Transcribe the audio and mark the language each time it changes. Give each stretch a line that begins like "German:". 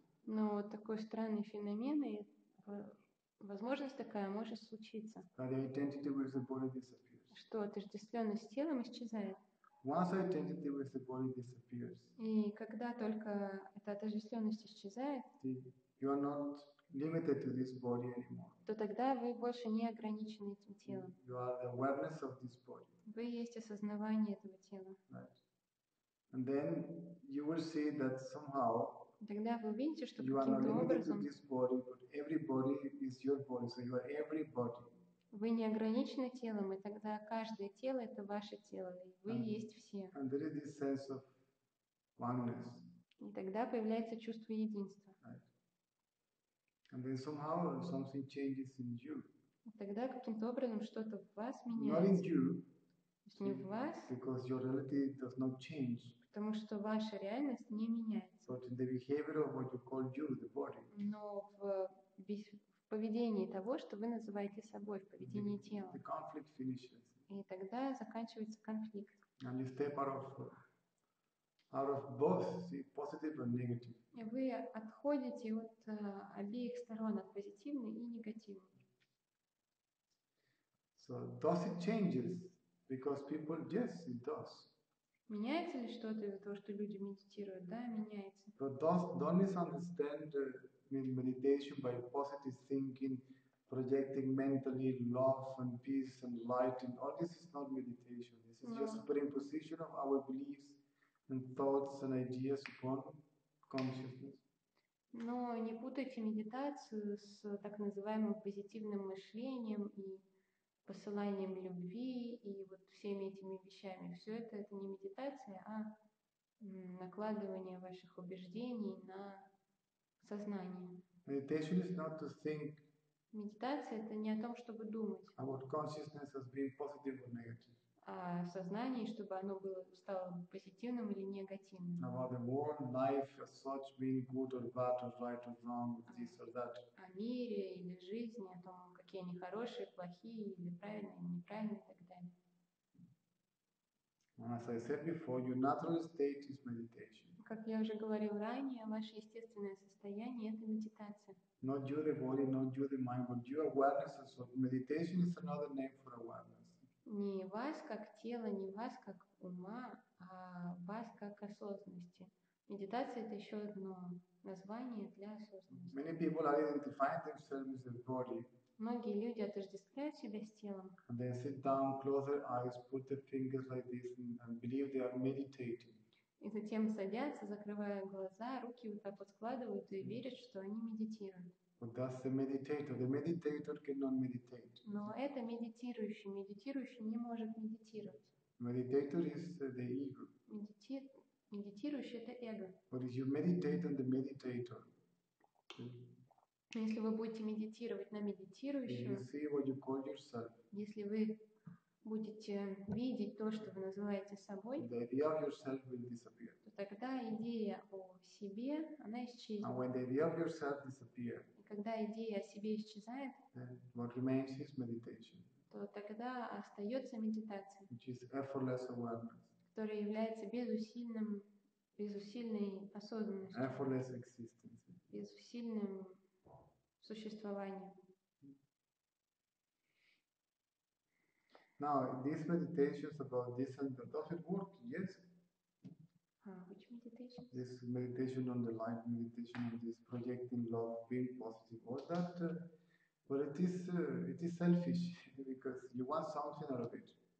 Russian: Но вот такой странный феномен, и возможность такая может случиться.
English: That the identity with the body disappears.
Russian: Что отождествленность с телом исчезает.
English: Once identity with the body disappears.
Russian: И когда только эта отождествленность исчезает,
English: you are not limited to this body anymore.
Russian: То тогда вы больше не ограничены этим телом.
English: You are the awareness of this body.
Russian: Вы есть осознавание этого тела.
English: Right. And then you will see that somehow.
Russian: тогда вы увидите, что
English: you
Russian: каким-то образом
English: this body, but every body is your body, so you are every body.
Russian: Вы не ограничены телом, и тогда каждое тело – это ваше тело, и вы
English: and,
Russian: есть все.
English: And there is this sense of oneness.
Russian: И тогда появляется чувство единства.
English: Right. And then somehow something changes in you.
Russian: И тогда каким-то образом что-то в вас меняется.
English: Not in you.
Russian: Не в вас,
English: because your reality does not change.
Russian: Потому что ваша реальность не меняется.
English: But in the behavior of what you call you, the body.
Russian: Но в поведении того, что вы называете собой, в поведении тела.
English: The conflict finishes.
Russian: И тогда заканчивается конфликт.
English: And you step out of both, see, positive and negative.
Russian: И вы отходите от обеих сторон, от позитивной и негативной.
English: So does it changes? Because people, yes, it does.
Russian: Меняется ли что-то из-за того, что люди медитируют? Да, меняется.
English: But don't misunderstand meditation by positive thinking, projecting mentally love and peace and light. And all this is not meditation. This is just superimposition of our beliefs and thoughts and ideas upon consciousness.
Russian: Но не путайте медитацию с так называемым позитивным мышлением и посыланием любви и вот всеми этими вещами. Все это не медитация, а накладывание ваших убеждений на сознание.
English: Meditation is not to think.
Russian: Медитация это не о том, чтобы думать.
English: About consciousness as being positive or negative.
Russian: А сознание, чтобы оно стало позитивным или негативным.
English: About the world, life as such being good or bad or right or wrong, this or that.
Russian: О мире или жизни, о том, какие они хорошие, плохие, или правильные, или неправильные и так далее.
English: And as I said before, your natural state is meditation.
Russian: Как я уже говорил ранее, ваше естественное состояние – это медитация.
English: Not you the body, not you the mind, but you awareness as well. Meditation is another name for awareness.
Russian: Не вас как тело, не вас как ума, а вас как осознанности. Медитация – это еще одно название для осознанности.
English: Many people are identifying themselves with their body.
Russian: Многие люди отождествляют себя с телом.
English: And they sit down, close their eyes, put their fingers like this and believe they are meditating.
Russian: И затем садятся, закрывая глаза, руки вот так вот складывают и верят, что они медитируют.
English: But that's the meditator. The meditator cannot meditate.
Russian: Но это медитирующий. Медитирующий не может медитировать.
English: Meditator is the ego.
Russian: Медитирующий это эго.
English: But if you meditate on the meditator,
Russian: если вы будете медитировать на медитирующего,
English: you see what you call yourself,
Russian: если вы будете видеть то, что вы называете собой,
English: the idea of yourself will disappear.
Russian: То тогда идея о себе, она исчезнет.
English: And when the idea of yourself disappears,
Russian: когда идея о себе исчезает,
English: what remains is meditation,
Russian: то тогда остается медитация,
English: which is effortless awareness,
Russian: которая является безусильной осознанностью,
English: effortless existence,
Russian: безусильным существованием.
English: Now, these meditations about this and that, does it work? Yes. Which meditation? This meditation on the light, meditation on this projecting love, being positive, all that. But it is selfish because you want something out of it.